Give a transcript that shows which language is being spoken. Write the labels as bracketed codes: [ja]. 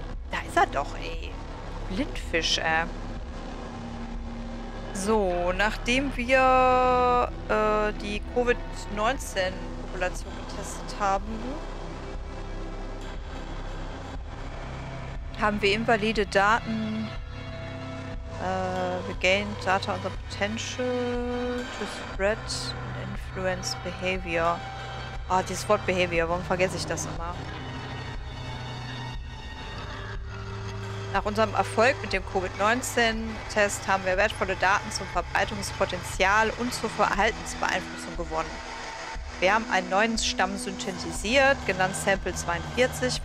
[de] Da ist er doch, ey. Blindfisch, ey. So, nachdem wir die Covid-19-Population getestet haben, haben wir invalide Daten. [en] We gained data on the potential to spread and influence behavior. [de] Ah, dieses Wort behavior, warum vergesse ich das immer? Nach unserem Erfolg mit dem Covid-19-Test haben wir wertvolle Daten zum Verbreitungspotenzial und zur Verhaltensbeeinflussung gewonnen. Wir haben einen neuen Stamm synthetisiert, genannt Sample 42.